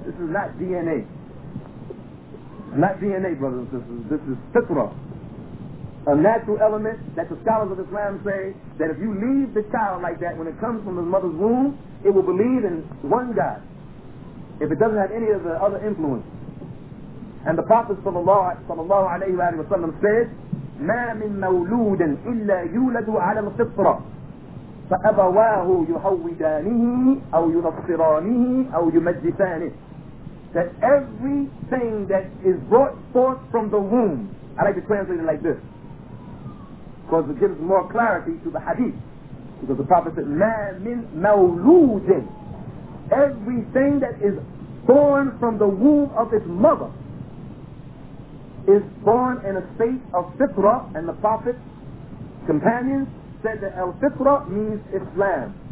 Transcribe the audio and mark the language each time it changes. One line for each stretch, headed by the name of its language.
English: This is not DNA. Not DNA, brothers and sisters. This is fitra. A natural element that the scholars of Islam say that if you leave the child like that when it comes from his mother's womb, it will believe in one God. If it doesn't have any of the other influences. And the Prophet sallallahu alayhi wa sallam said,
Arabic: مَا مِن مَوْلُودٍ إِلَّا يُولَدُ عَلَى الْفِطْرَةِ فَأَبَوَاهُ يُحَوِّدَانِهِ أَوْ يُنَصِّرَانِهِ أَوْ يُمَجِّسَانِهِ.
English: That everything that is brought forth from the womb, I like to translate it like this, because it gives more clarity to the hadith. Because the Prophet said,
Arabic: مَا مِن مَوْلُودٍ,
English: everything that is born from the womb of its mother is born in a state of fitra, and the Prophet's companions said that al-fitra means Islam.